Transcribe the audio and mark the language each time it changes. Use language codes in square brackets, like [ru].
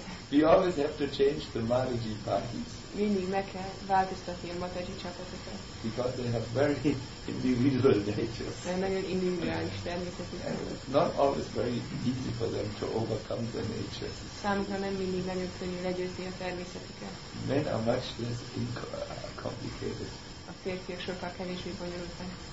[en] We always have to change the Mataji parties. [hu] Mindig meg kell változtatni a Mataji csapatokat. [en] Because they have very individual natures. [hu] Nagyon individuális természetük. [en] Not always very easy for them to overcome their natures. [hu] Számukra nem mindig nagyon könnyű legyőzni a természetüket. [en] Men are much less complicated. [hu] A férfiak sokkal kevésbé bonyolultak.